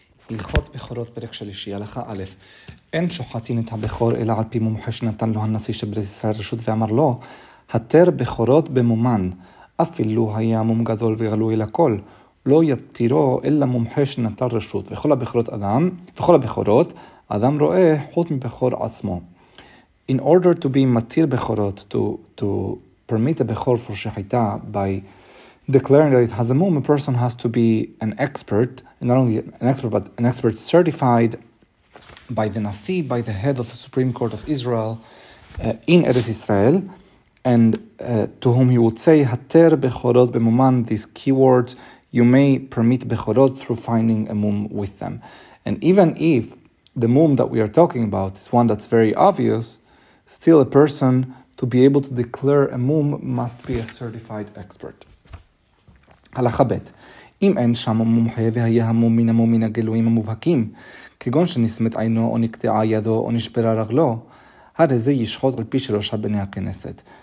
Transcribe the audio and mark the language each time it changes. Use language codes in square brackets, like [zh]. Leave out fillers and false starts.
[he] הלכות בכורות פרק שלישי, הלכה א', אין שוחטין את הבכור אלא על פי מומחה שנתן לו הנשיא שבית ישראל רשות ואמר לו, התר בכורות במומן, אפילו היה מום גדול וגלוי לכל, לא יתירו אלא מומחה שנתן רשות, וכל הבכורות אדם, וכל הבכורות, אדם רואה חוט מבכור עצמו. [en] In order to be מתיר בכורות, to permit a בכור for שחיתה by declaring that it has a mum, a person has to be an expert, and not only an expert, but an expert certified by the Nasi, by the head of the Supreme Court of Israel, in Eretz Israel, and to whom he would say, [he] "Hater bechorot bemuman," [en] these keywords, you may permit bechorot through finding a mum with them. And even if the mum that we are talking about is one that's very obvious, still a person to be able to declare a mum must be a certified expert. [he] הלכה ב', אם אין שם מומחה והיה המום מן המום מן הגלויים המובהקים, כגון שנסמת עינו או נקטעה ידו או נשפרה רגלו, הרי זה ישחוט על פי שלושה בני הכנסת.